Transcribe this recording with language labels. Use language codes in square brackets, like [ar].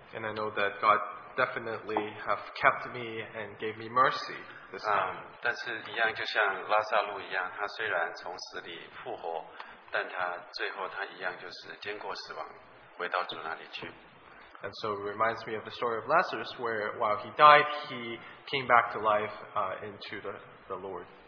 [en] And I know that God definitely have kept me and gave me mercy this time. [zh] 但是一样就像拉撒路一样，他虽然从死里复活，但他最后他一样就是经过死亡回到主那里去。 [en] And so it reminds me of the story of Lazarus, where while he died, he came back to life into the Lord.